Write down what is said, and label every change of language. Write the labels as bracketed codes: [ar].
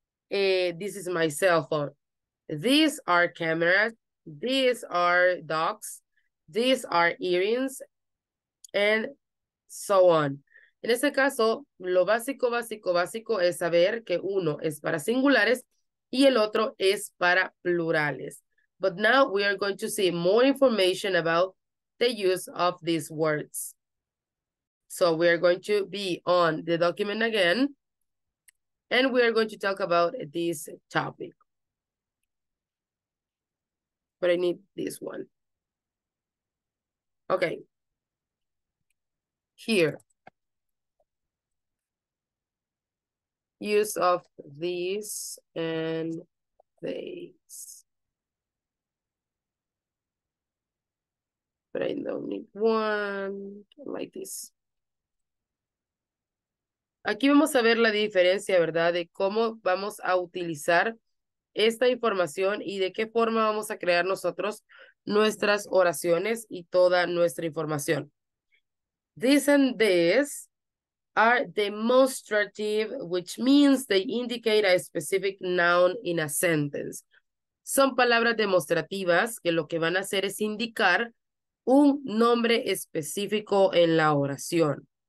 [en] This is my cell phone. These are cameras. These are dogs. These are earrings. And so on. [es] En este caso, lo básico, básico, básico es saber que uno es para singulares y el otro es para plurales. [en] But now we are going to see more information about the use of these words. So we are going to be on the document again. And we are going to talk about this topic. But I need this one. Okay. Here. Use of these and these. But I don't need one like this. [es] Aquí vamos a ver la diferencia, ¿verdad? De cómo vamos a utilizar esta información y de qué forma vamos a crear nosotros nuestras oraciones y toda nuestra información. [en] This and this are demonstrative, which means they indicate a specific noun in a sentence. [es] Son palabras demostrativas que lo que van a hacer es indicar un nombre específico en la oración.